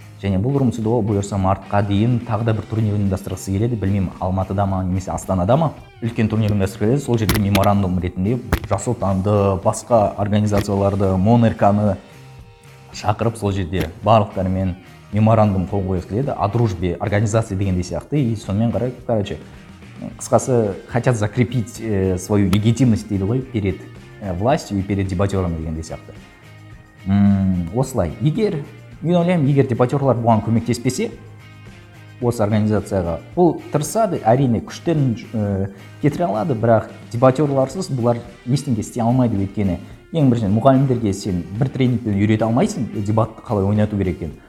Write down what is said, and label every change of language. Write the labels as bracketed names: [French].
[Kazakh] Және бұл Румцидо бұйырса мартқа дейін тағы да бір турнир ұйымдастырғысы келеді, білмеймін, Алматыда ма немесе Астанада ма үлкен турнир ұйымдастырғысы келеді. Сол жерде меморандум ретінде Жасыл Таңды, басқа организацияларды, Монерканы шақырып, сол жерде барлықтарымен меморандум қол қойғысы келеді, [Russian] о дружбе организации [Kazakh] дегендей сияқты. И сонымен қарай, Кыскасы, [Russian] хотят закрепить свою легитимность [Kazakh] дейді ғой [Russian] перед властью и перед дебатерами [Kazakh] дегендей сияқты. Осылай, егер, мен ойлаймын, егер дебатерлар бұған көмектеспесе, осы организацияға бұл тұрсады, әрине күштерін кетіре алады, бірақ дебатерларсыз бұлар ештеңе істей алмайды, өйткені ең біріншіден мұғалімдерге сен бір тренингпен үйрете алмайсың дебатты қалай ойнату керек екенін.